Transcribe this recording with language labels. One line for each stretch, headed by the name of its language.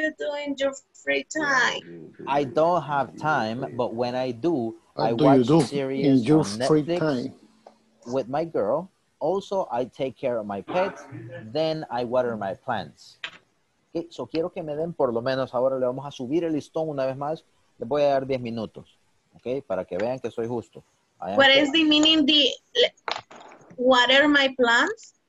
English: What do you do in your free time? I don't have time, but when I do, I watch series on Netflix with my girl. Also, I take care of my pets. Then I water my plants.
Spanish: Okay, so quiero que me den por lo menos, ahora le vamos a subir el listón una vez más. Le voy a dar 10 minutos, okay, para que vean que soy justo.
English: What is the meaning of water my plants?